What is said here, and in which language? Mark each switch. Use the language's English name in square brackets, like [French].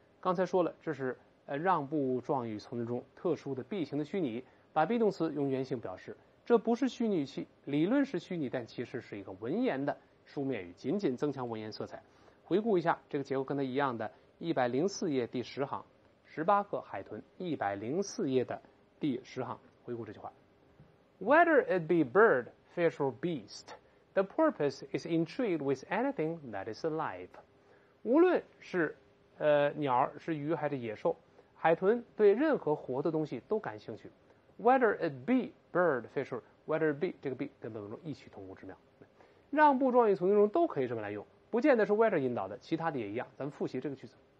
[Chinese] 刚才说了，这是让步状语从中特殊的 be 型的虚拟，把 be 动词用原形表示。这不是虚拟语气，理论是虚拟，但其实是一个文言的书面语，仅仅增强文言色彩。回顾一下这个结构，跟它一样的104页第10行，18个海豚，104页的第10行，回顾这句话。 [English] Whether it be bird, fish or beast,The porpoise is intrigued with anything that is alive. [Chinese] 无论是鸟是鱼还是野兽，海豚对任何活的东西都感兴趣。 [English] Whether it be bird, fish, or whether it be [Chinese] 这个 be 跟本文中异曲同工之妙。让步状语从句中都可以这么来用，不见得是 whether 引导的，其他的也一样。咱们复习这个句子。